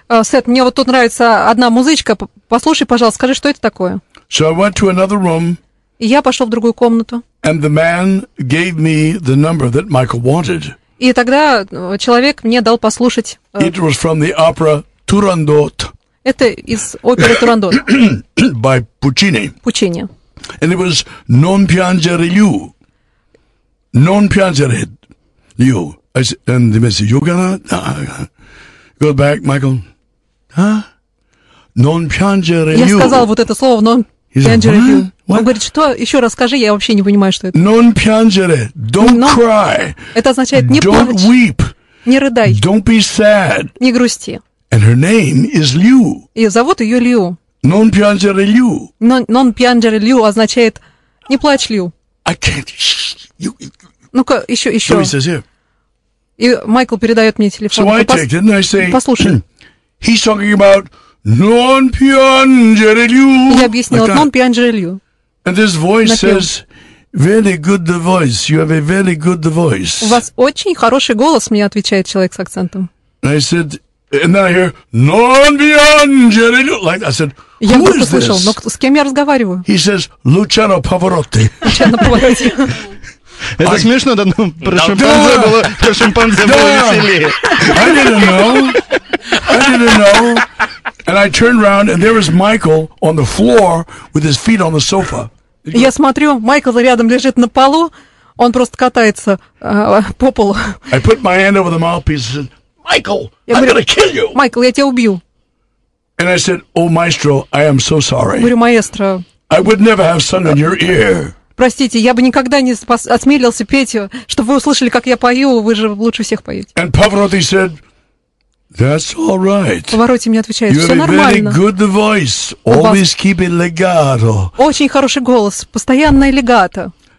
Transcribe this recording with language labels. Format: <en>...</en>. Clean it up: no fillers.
<ru>Сет, мне вот тут нравится одна музычка. Послушай, пожалуйста, скажи, что это такое?</ru> <en>So I went to another room.</en> <ru>И я пошел в другую комнату.</ru> <en>And the man gave me the number that Michael wanted.</en> <ru>И тогда человек мне дал послушать.</ru> <en>It was from the opera Turandot.</en> <ru>Это из оперы Турандот.</ru> <en>By Puccini. Puccini. And it was</en> <it>Non piangere più. Non piangere più.</it> <en>I said, and the message, you're gonna go back, Michael.</en> <it>Huh? Non piangere più.</it> <ru>Я сказал вот это слово,</ru> <it>non piangere più.</it> <ru>Он говорит, что? Еще раз скажи, я вообще не понимаю, что это.</ru> <it>Non piangere,</it> <en>don't cry.</en> <ru>Это означает не плачь.</ru> <en>Don't weep.</en> <ru>Не рыдай.</ru> <en>Don't be sad.</en> <ru>Не грусти.</ru> <en>And her name is Liu.</en> <ru>И зовут ее Liu.</ru> <it>Non piangere Liu. Non piangere Liu</it> <ru>означает не плачь, Liu.</ru> <en>I can't.</en> <ru>Ну-ка, еще.</ru> <en>So he says, yeah.</en> <ru>И Майкл передает мне телефон.</ru> <en>So I take it and I say,</en> <ru>послушай.</ru> <en>He's talking about</en> <it>non piangere Liu.</it> <ru>Я объяснила,</ru> <en>like</en> <it>non piangere Liu.</it> <en>And this voice says, very good the voice. You have a very good the voice.</en> <ru>У вас очень хороший голос, мне отвечает человек с акцентом.</ru> <en>I said, and then I hear,</en> <it>non piangere Liu.</it> <en>Like, I said, who is this?</en> <ru>Но с кем я разговариваю?</ru> <en>He says, Luciano Pavarotti. Luciano Pavarotti.</en> <ru>Это смешно, да, ну, про шимпанзе было, про шимпанзе было веселее.</ru> <en>I didn't know. I didn't know. And I turned around, and there was Michael on the floor with his feet on the sofa.</en> <ru>Я смотрю, Майкл рядом лежит на полу, он просто катается по полу.</ru> <en>I put my hand over the mouthpiece and said, Michael, I'm going to kill you.</en> <ru>Майкл, я тебя убью.</ru> <en>And I said, "Oh, maestro, I am so sorry."</en> <ru>Говорю, маэстро.</ru> <en>I would never have sung in your ear.</en> <ru>Простите, я бы никогда не осмелился петь, чтобы вы услышали, как я пою. Вы же лучше всех поете.</ru> <en>And Pavarotti said, "That's all right."</en> <ru>Pavarotti мне отвечает, "Все нормально."</ru> <en>You have a very good voice. Always keep it legato.</en> <ru>Очень хороший голос, постоянное легато.</ru>